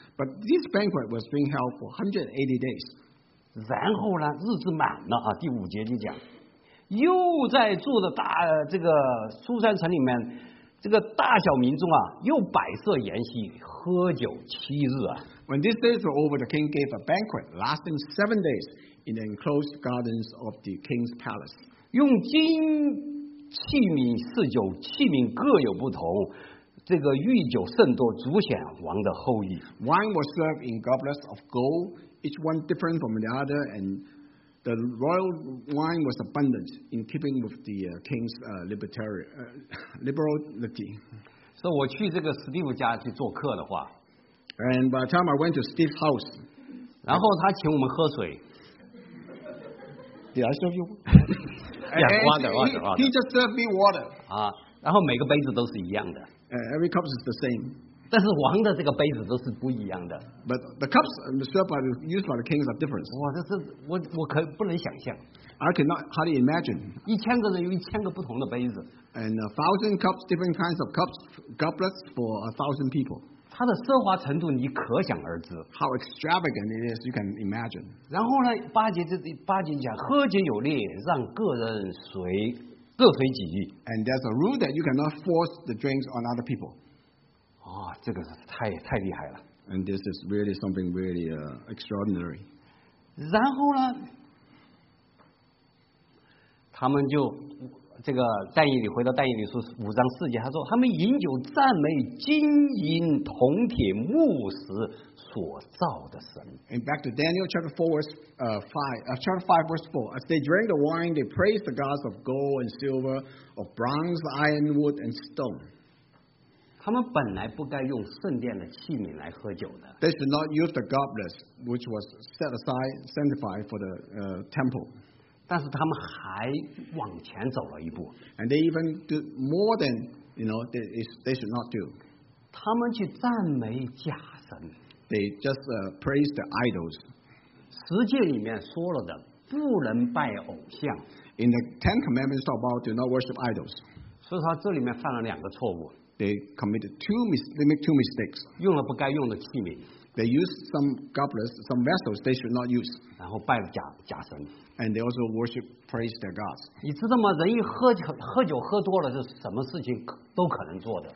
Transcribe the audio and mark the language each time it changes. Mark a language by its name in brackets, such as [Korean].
[English] But this banquet was being held for 180 days. [Chinese] 然后呢日子满了啊，第五节就讲。又在住的大这个苏珊城里面，这个大小民众啊又摆设筵席喝酒七日啊。 [English] When these days were over, the king gave a banquet lasting 7 days in the enclosed gardens of the king's palace. [Chinese] 用金器皿四酒，器皿各有不同。这个御酒甚多，足显王的厚意。 [English] Wine was served in goblets of gold, each one different from the other, and the royal wine was abundant in keeping with the king's liberality. [Chinese] So, 我去这个史蒂夫家去做客的话。 [English] And by the time I went to Steve's house, [Chinese] 然后他请我们喝水。 [English] Did I serve you? Yeah, water. He just served me water. [Chinese] 啊，然后每个杯子都是一样的。 [English] Every cup is the same. [Chinese] 但是王的这个杯子都是不一样的。 [English] But the cups used by the kings are different. [Chinese] 哇，这是我可不能想象。 [English] I cannot hardly imagine. 1,000 people [Chinese] 有1,000个不同的杯子。 [English] And 1,000 cups, different kinds of cups, goblets for 1,000 people. [Chinese] 它的奢华程度你可想而知。 [English] How extravagant it is, you can imagine. [Chinese] 然后呢，八节讲，喝酒有烈，让个人随各随己意。 [English] And there's a rule that you cannot force the drinks on other people. [Chinese] 哦，这个是太厉害了。 [English] And this is really something really extraordinary. [Chinese] 然后呢，他们就。这个但以理回到但以理书五章四节，他说他们饮酒赞美金银铜铁木石所造的神。 [English] And back to Daniel chapter 4 verse 5, chapter 5 verse 4, as they drank the wine, they praised the gods of gold and silver, of bronze, iron, wood and stone. [Chinese] 他们本来不该用圣殿的器皿来喝酒的。 [English] They should not use the goblets which was set aside, sanctified for the temple. [Chinese] 但是他们还往前走了一步。 [English] And they even do more than, you know, they should not do. [Chinese] 他们去赞美假神。 [English] They just praise the idols. [Chinese] 十诫里面说了的，不能拜偶像。 [English] In the Ten Commandments talk about do not worship idols. [Chinese] 所以说这里面犯了两个错误。 [English] They committed two mistakes. [Chinese] 用了不该用的器皿。 [English] They used some goblets, some vessels they should not use. [Chinese] 然后拜了假神。 [English] And they also worship, praise their gods. [Chinese] 你知道吗？人一喝酒喝多了，是什么事情都可能做的。